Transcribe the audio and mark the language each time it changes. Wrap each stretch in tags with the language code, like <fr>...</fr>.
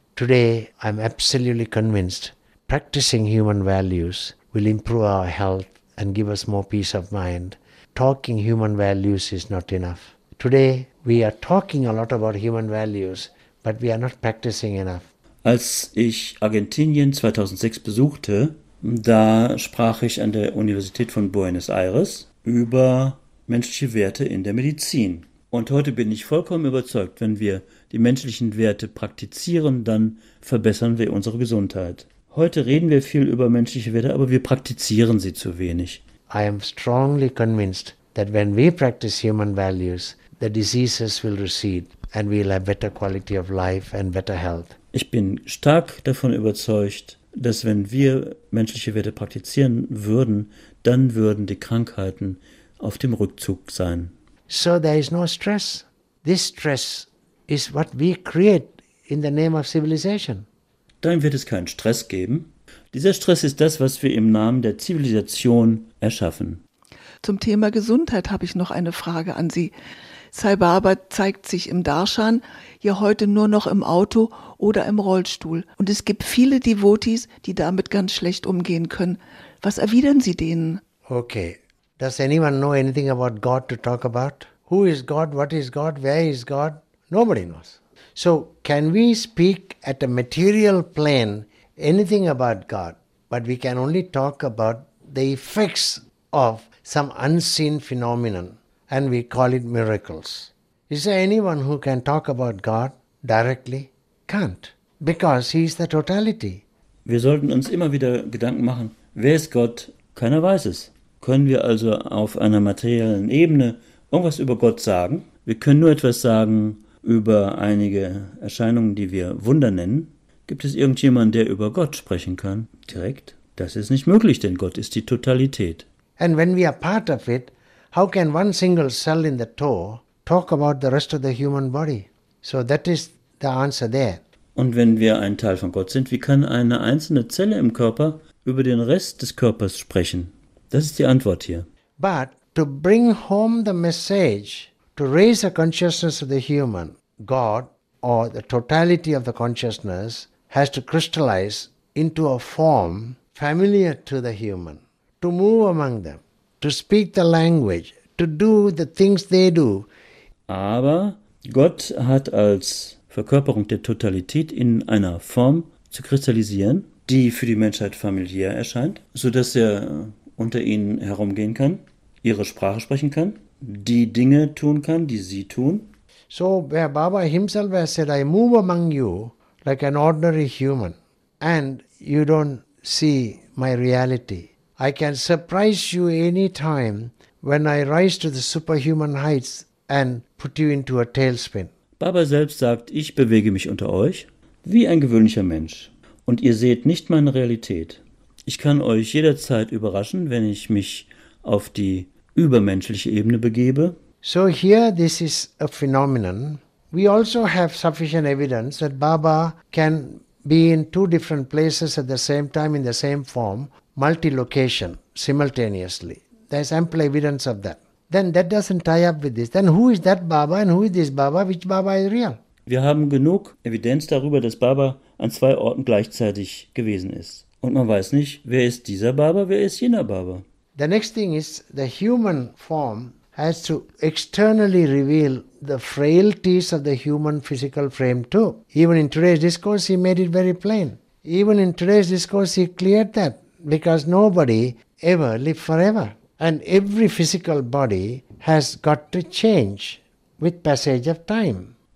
<en>Today, I'm absolutely convinced practicing human values will improve our health and give us more peace of mind. Talking human values is not enough. Today, we are talking a lot about human values, but we are not practicing enough.</en> <de>Als ich Argentinien 2006 besuchte, da sprach ich an der Universität von Buenos Aires über menschliche Werte in der Medizin. Und heute bin ich vollkommen überzeugt, wenn wir die menschlichen Werte praktizieren, dann verbessern wir unsere Gesundheit. Heute reden wir viel über menschliche Werte, aber wir praktizieren sie zu wenig.</de> <en>I am strongly convinced that when we practice human values, the diseases will recede and we will have better quality of life and better health.</en> <de>Ich bin stark davon überzeugt, dass wenn wir menschliche Werte praktizieren würden, dann würden die Krankheiten auf dem Rückzug sein.</de> <en>So there is no stress. This stress is what we create in the name of civilization.</en> <de>Dann wird es keinen Stress geben. Dieser Stress ist das, was wir im Namen der Zivilisation erschaffen. Zum Thema Gesundheit habe ich noch eine Frage an Sie. Sai Baba zeigt sich im Darshan ja heute nur noch im Auto oder im Rollstuhl. Und es gibt viele Devotees, die damit ganz schlecht umgehen können. Was erwidern Sie denen?</de> <en>Okay. Does anyone know anything about God to talk about? Who is God? What is God? Where is God? Nobody knows. So can we speak at a material plane anything about God? But we can only talk about the effects of some unseen phenomenon. And we call it miracles. Is there anyone who can talk about God directly? Can't. Because he is the totality.</en> <de>Wir sollten uns immer wieder Gedanken machen, wer ist Gott? Keiner weiß es. Können wir also auf einer materiellen Ebene irgendwas über Gott sagen? Wir können nur etwas sagen über einige Erscheinungen, die wir Wunder nennen. Gibt es irgendjemanden, der über Gott sprechen kann? Direkt? Das ist nicht möglich, denn Gott ist die Totalität.</de> <en>And when we are part of it, how can one single cell in the toe talk about the rest of the human body? So that is the answer there.</en> <de>Und wenn wir ein Teil von Gott sind, wie kann eine einzelne Zelle im Körper über den Rest des Körpers sprechen? Das ist die Antwort hier.</de> <en>But to bring home the message, to raise the consciousness of the human, God or the totality of the consciousness has to crystallize into a form familiar to the human, to move among them, to speak the language, to do the things they do.</en> <de>Aber Gott hat als Verkörperung der Totalität in einer Form zu kristallisieren, die für die Menschheit familiär erscheint, sodass er unter ihnen herumgehen kann, ihre Sprache sprechen kann, die Dinge tun kann, die sie tun.</de> <en>So, where Baba himself has said, I move among you like an ordinary human and you don't see my reality. I can surprise you any time when I rise to the superhuman heights and put you into a tailspin.</en> <de>Baba selbst sagt, ich bewege mich unter euch wie ein gewöhnlicher Mensch und ihr seht nicht meine Realität. Ich kann euch jederzeit überraschen, wenn ich mich auf die übermenschliche Ebene begebe.</de> <en>So here this is a phenomenon. We also have sufficient evidence that Baba can be in two different places at the same time in the same form, multi-location, simultaneously. There's ample evidence of that. Then that doesn't tie up with this. Then who is that Baba and who is this Baba? Which Baba is real?</en> <de>Wir haben genug Evidenz darüber, dass Baba an zwei Orten gleichzeitig gewesen ist. Und man weiß nicht, wer ist dieser Baba, wer ist jener Baba.</de> <en>The next thing is, the human form has to externally reveal the frailties of the human physical frame too. Even in today's discourse, he made it very plain. Even in today's discourse, he cleared that. Because nobody ever lived forever. And every physical body has got to change with passage of time.</en>